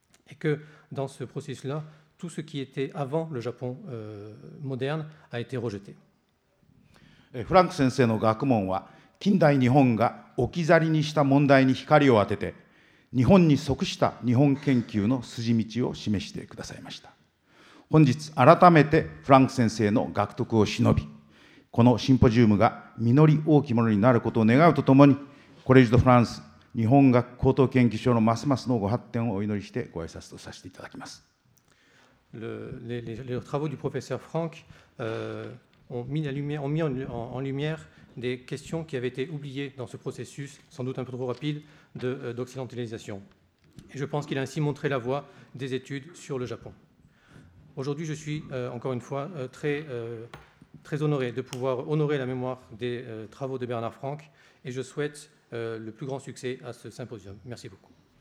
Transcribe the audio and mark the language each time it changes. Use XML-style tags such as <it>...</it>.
<fr>et que dans ce processus-là, tout ce qui était avant le Japon moderne a été rejeté.</fr> <ja>フランク先生の学問は近代日本が置き去りにした問題に光を当てて日本に即した日本研究の筋道を示してくださいました。本日改めてフランク先生の学徳を忍び、このシンポジウムが実り大きいものになることを願うとともに、コレージドフランス日本学高等研究所のますますのご発展をお祈りしてご挨拶とさせていただきます。</ja> <fr>Les travaux du professeur Franck ont mis en lumière des questions qui avaient été oubliées dans ce processus, sans doute un peu trop rapide, d'occidentalisation. Et je pense qu'il a ainsi montré la voie des études sur le Japon. Aujourd'hui, je suis encore une fois très honoré de pouvoir honorer la mémoire des travaux de Bernard Franck, et je souhaite le plus grand succès à ce symposium. Merci beaucoup.</fr>